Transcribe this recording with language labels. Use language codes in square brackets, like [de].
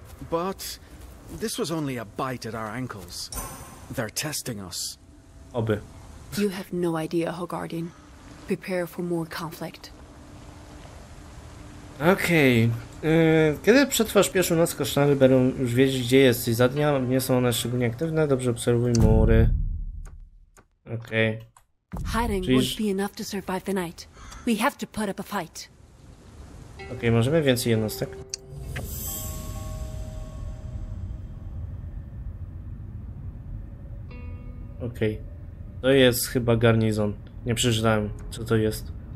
[en] But this was only a bite at our ankles. They're testing us. [pl] Oby. [en] You have no idea, Hogardin. Prepare for more conflict. Okej. [pl] Kiedy przetrwasz pierwszą noc, koszmary będą już wiedzieć, gdzie jesteś. Za dnia nie są one szczególnie aktywne. Dobrze obserwuj mury. Okej. [en] Hiding won't be enough to survive the night. We have to put up a fight. [pl] Okej, możemy więcej jednostek. Okej. To jest chyba garnizon. Nie przeczytałem, co to jest.